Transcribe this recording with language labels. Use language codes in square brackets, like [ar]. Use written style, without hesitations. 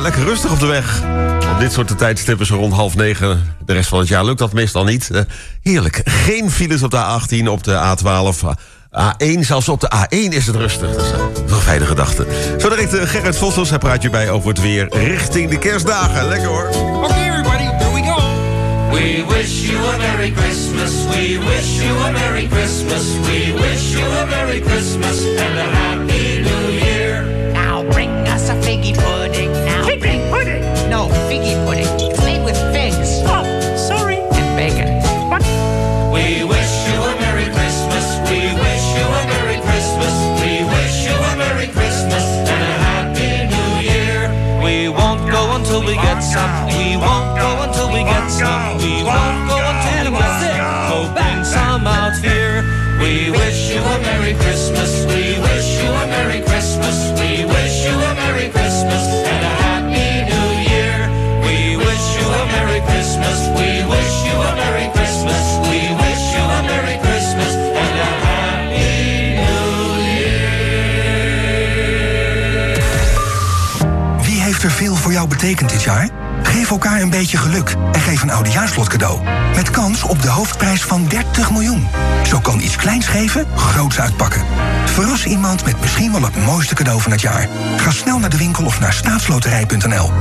[nl] Lekker rustig op de weg. Op dit soort tijdstippen zo rond 8:30. De rest van het jaar lukt dat meestal niet. Heerlijk. Geen files op de A18, op de A12, A1. Zelfs op de A1 is het rustig. Dat is een fijne gedachte. Zo direct Gerrit Vossels. Hij praat je bij over het weer richting de kerstdagen. Lekker hoor. [en] Okay, everybody, here we go. We wish you a Merry Christmas. We wish you a Merry Christmas. We wish you a Merry Christmas and a Happy New Year. Now bring us a figgy pudding. Now figgy pudding? No, figgy pudding. It's made with figs. Oh, sorry. And bacon. What? We wish you a Merry Christmas. We wish you a Merry Christmas. We wish you a Merry Christmas and a Happy New Year. We won't go until we get some. We won't go. We won't go until we get some. We won't go until we get some. Hoping some out here. We wish you a Merry Christmas. We wish you a Merry Christmas. We wish you a Merry Christmas and a Happy New Year. We wish you a Merry Christmas. We wish you a Merry Christmas. We wish you a Merry Christmas and a Happy New Year. [nl] Wie heeft er veel voor jou betekend dit jaar? Geef elkaar een beetje geluk en geef een oudejaarslot cadeau. Met kans op de hoofdprijs van 30 miljoen. Zo kan iets kleins geven groots uitpakken. Verras iemand met misschien wel het mooiste cadeau van het jaar. Ga snel naar de winkel of naar staatsloterij.nl.